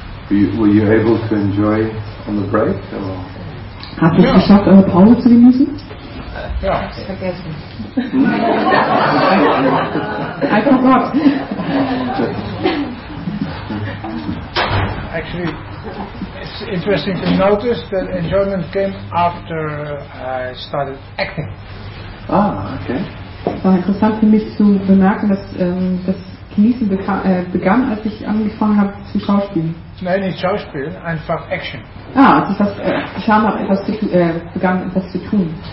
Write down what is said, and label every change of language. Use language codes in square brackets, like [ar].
[en] Were you able to enjoy on the break? [de] Habt ihr es geschafft, eure Pause zu genießen? Ja, ich hab's vergessen. [en] I forgot. Actually, it's interesting to notice that enjoyment came after I started acting. Ah, okay. [de] Es war interessant für mich zu bemerken, dass das Genießen begann, als ich angefangen habe zu schauspielen. Nein, nicht schauspielen, einfach Action. Ah, als ich das geschah, etwas zu begann, etwas zu tun.